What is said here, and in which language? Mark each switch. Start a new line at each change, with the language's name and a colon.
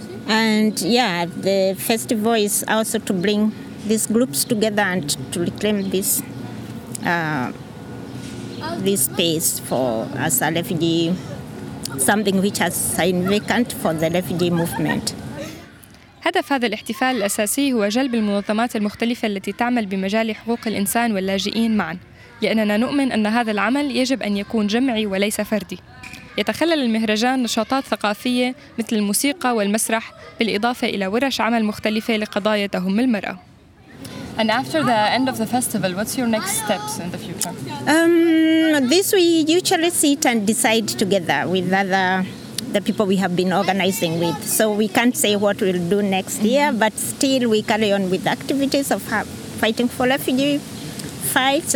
English: And yeah, the festival is also to bring these groups together and to reclaim this this space for as a refugee, something which has been vacant for the refugee movement.
Arabic: هدف هذا الاحتفال الأساسي هو جلب المنظمات المختلفة التي تعمل بمجال حقوق الإنسان واللاجئين معا، لأننا نؤمن أن هذا العمل يجب أن يكون جمعي وليس فردي. يتخلل المهرجان نشاطات ثقافية مثل الموسيقى والمسرح بالإضافة إلى ورش عمل مختلفة لقضايا تهم المرأة.
English: And after the end of the festival, what's your next steps in the future? This we usually sit and decide together with other the people we have been organizing with. So we can't say what we'll do next year, but still we carry on with activities of fighting for refugee fights.